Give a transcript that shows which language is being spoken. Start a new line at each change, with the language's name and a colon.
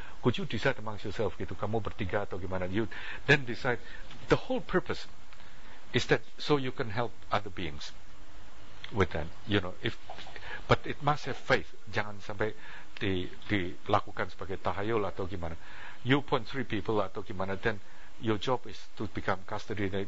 English: Could you decide amongst yourself,
Indonesian: gitu, kamu bertiga atau gimana,
English: you then decide. The whole purpose is that so you can help other beings with that, you know. If but it must have faith,
Indonesian: jangan sampai dilakukan sebagai tahayul atau gimana.
English: You point three people
Indonesian: atau gimana,
English: then your job is to become custody.